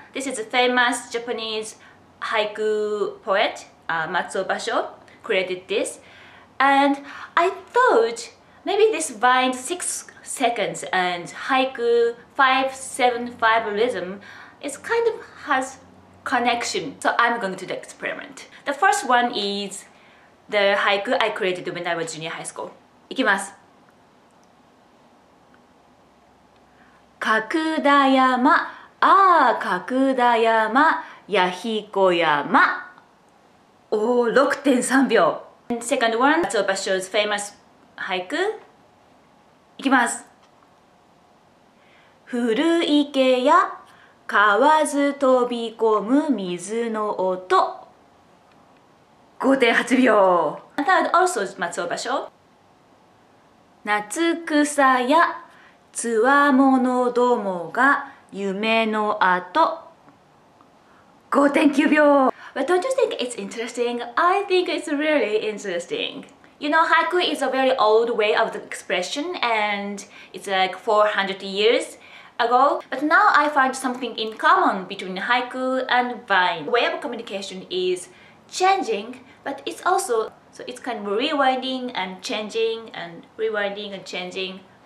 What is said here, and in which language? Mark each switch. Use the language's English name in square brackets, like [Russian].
[English] This is a famous Japanese haiku poet, Matsuo Basho created this, and I thought maybe this Vine 6 seconds and haiku 5-7-5 rhythm is kind of has connection. So I'm going to do the experiment. The first one is the haiku I created when I was junior high school. [Japanese] いきます。角田山、ああ角田山、弥彦山。おお、6.3 秒。 [English] And second one, Matsuo Basho's famous haiku. [Japanese] いきます。古池や川津飛び込む水の音、 5.8 秒。 [English] And that also is 松尾芭蕉。 [Japanese] 夏草やつわものどもが夢のあと、 5.9 秒。 [English] But don't you think it's interesting? I think it's really interestingYou know, haiku is a very old way of the expression, and it's like 400 years ago. But now I find something in common between haiku and vine. The way of communication is changing, but it's also, so it's kind of rewinding and changing and rewinding and changing.